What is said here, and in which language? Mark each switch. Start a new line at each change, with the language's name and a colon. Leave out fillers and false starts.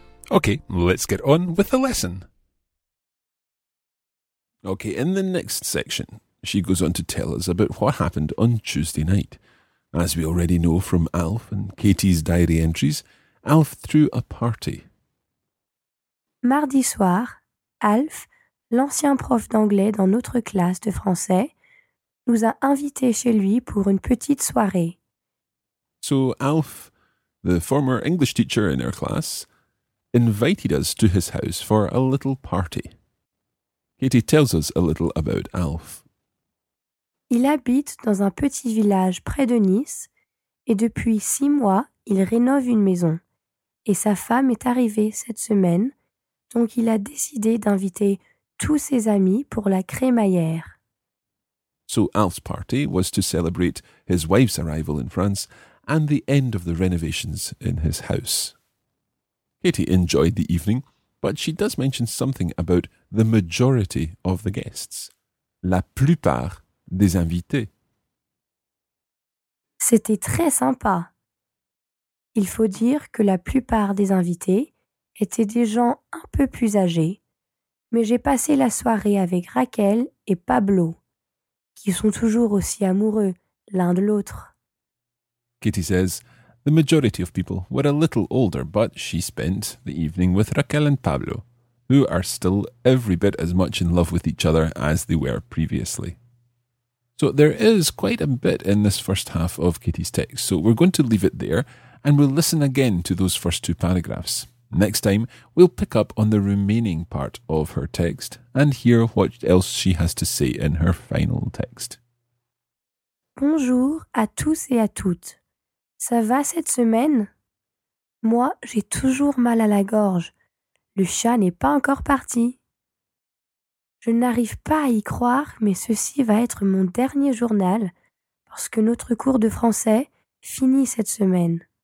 English: Okay, let's get on with the lesson. Okay, in the next section, she goes on to tell us about what happened on Tuesday night. As we already know from Alf and Katie's diary entries, Alf threw a party.
French: Mardi soir, Alf, l'ancien prof d'anglais dans notre classe de français, nous a invités chez lui pour une petite soirée.
English: So Alf, the former English teacher in our class, invited us to his house for a little party. Katie tells us a little about Alf.
French: Il habite dans un petit village près de Nice et depuis 6 mois, il rénove une maison. Et sa femme est arrivée cette semaine, donc il a décidé d'inviter tous ses amis pour la crémaillère.
English: So Alf's party was to celebrate his wife's arrival in France and the end of the renovations in his house. Katie enjoyed the evening, but she does mention something about the majority of the guests.
French: La plupart des invités. C'était très sympa. Il faut dire que la plupart des invités étaient des gens un peu plus âgés, mais j'ai passé la soirée avec Raquel et Pablo, qui sont toujours aussi amoureux l'un de l'autre.
English: Katie says, the majority of people were a little older, but she spent the evening with Raquel and Pablo, who are still every bit as much in love with each other as they were previously. So there is quite a bit in this first half of Katie's text, so we're going to leave it there, and we'll listen again to those first two paragraphs. Next time, we'll pick up on the remaining part of her text and hear what else she has to say in her final text.
French: Bonjour à tous et à toutes. Ça va cette semaine? Moi, j'ai toujours mal à la gorge. Le chat n'est pas encore parti. Je n'arrive pas à y croire, mais ceci va être mon dernier journal parce que notre cours de français finit cette semaine.